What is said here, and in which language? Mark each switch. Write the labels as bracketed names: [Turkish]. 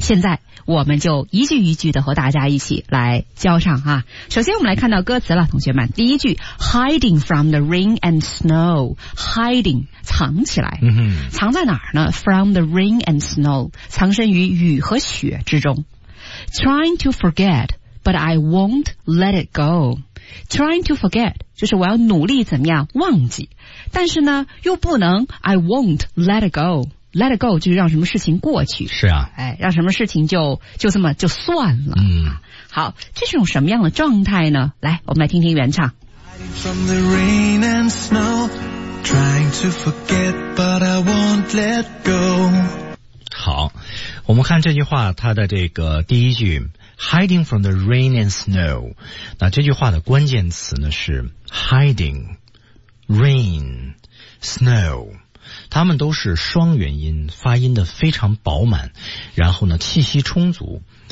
[Chinese] 现在我们就一句一句的和大家一起来教上啊。首先我们来看到歌词了，同学们，第一句 ， [English] hiding from the rain and snow， [Chinese] hiding 藏起来，嗯，藏在哪儿呢 ？ [English] From the rain and snow， [Chinese] 藏身于雨和雪之中。 [English] Trying to forget, but I won't let it go. Trying to forget, [Chinese] 就是我要努力怎么样忘记，但是呢又不能 [English] I won't let it go. Let it go [Chinese] 就是让什么事情过去。是啊，哎，让什么事情就这么就算了。嗯，好，这是种什么样的状态呢？来，我们来听听原唱。 [English] Hiding from the rain and snow, trying to forget, but I won't let go. [Chinese] 好，我们看这句话，它的这个第一句 ， [English] hiding from the rain and snow， [Chinese] 那这句话的关键词呢是 hiding， rain， snow， 它们都是双元音，发音的非常饱满，然后呢气息充足。